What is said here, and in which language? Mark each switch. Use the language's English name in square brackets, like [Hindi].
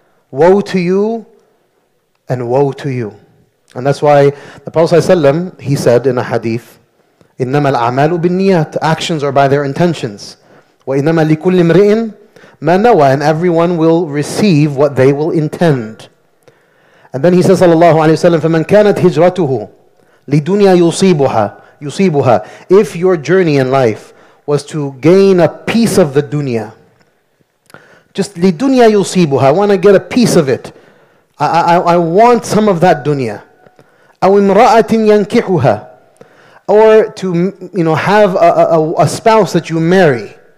[English] Woe to you and woe to you. And that's why the Prophet ﷺ, he said in a hadith, [Arabic] إِنَّمَا الْعَمَالُ بِالنِّيَاتِ. [English] Actions are by their intentions. [Arabic] وَإِنَّمَا لِكُلِّ امْرِئٍ مَا نَوَى. [English] And everyone will receive what they will intend. And then he says, [Arabic] صلى الله عليه وسلم, فَمَنْ كَانَتْ هِجْرَتُهُ لِدُنْيَا يُصِيبُهَا. [English] If your journey in life was to gain a piece of the dunya, just [Arabic] لِدُنْيَا يُصِيبُهَا, [English] I want to get a piece of it. I want some of that dunya. [Arabic] أَوْ امْرَأَةٍ يَنْكِحُهَا. [English] Or to have a spouse that you marry.